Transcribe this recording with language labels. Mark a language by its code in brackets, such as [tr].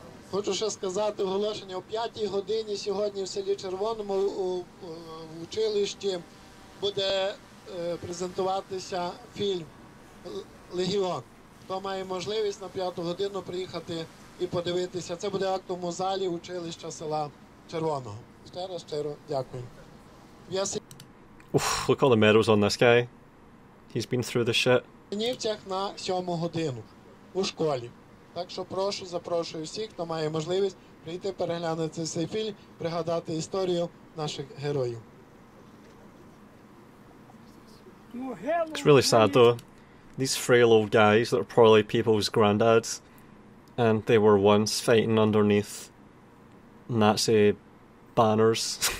[uk] Хочу ще сказати оголошення. О 5 годині сьогодні в селі Червоному в училищі буде презентуватися фільм «Легіон». Хто має можливість на 5 годину приїхати і подивитися. Це буде в актовому залі училища села Червоного. Ще раз щиро дякую. [en] Уф, look all the medals on this guy. He's been through the shit. [uk] В Синівцях на 7 годину у школі. Так що прошу, запрошую всіх, хто має можливість прийти переглянути цей фільм, пригадати історію наших героїв. [en] It's really sad though. These frail old guys that are probably people's granddads, and they were once fighting underneath Nazi banners.